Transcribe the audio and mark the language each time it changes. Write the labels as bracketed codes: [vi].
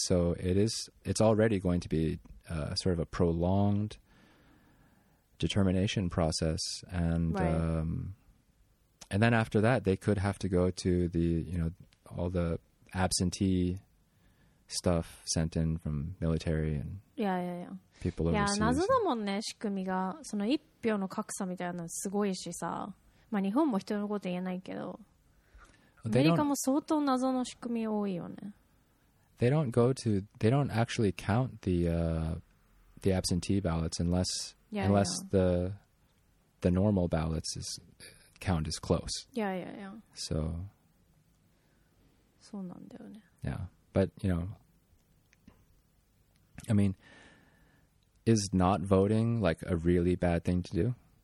[en] So it's already going to be sort of a prolonged determination process. And right. And then after that, they could have to go to the, you know, all the absentee stuff sent in from military and people overseas. [ja] いや、謎だもんね、仕組みが。その一票の格差みたいなのすごいしさ。まあ日本も人のこと言えないけど、アメリカも相当謎の仕組み多いよね。 [en] They don't go to, they don't actually count the absentee ballots unless, unless the normal ballots is, count is close. Yeah, yeah, yeah. So, [ja] そうなんだよね。 [en] Yeah, but, you know, I mean, is not voting like a really bad thing to do?